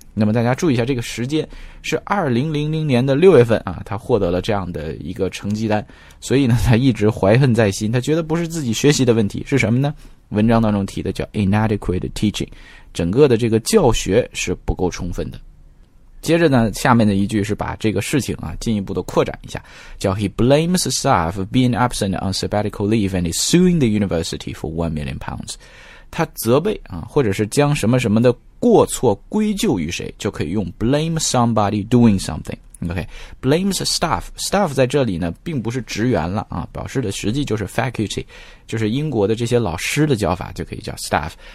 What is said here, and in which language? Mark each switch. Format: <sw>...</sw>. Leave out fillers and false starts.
<zh>那么大家注意一下，这个时间是2000年的6月份啊，他获得了这样的一个成绩单，所以呢他一直怀恨在心，他觉得不是自己学习的问题，是什么呢？文章当中提的叫 inadequate teaching， 整个的这个教学是不够充分的。接着呢下面的一句是把这个事情啊进一步的扩展一下，叫</zh> <en>He blames staff for being absent on sabbatical leave and is suing the university for £1 million。</en> <zh>他责备啊，或者是将什么什么的过错归咎于谁，就可以用</zh> <en>blame somebody doing something。</en> <zh>OK， blames staff 在这里呢并不是职员了啊，表示的实际就是 faculty， 就是英国的这些老师的叫法，就可以叫 staff。</zh>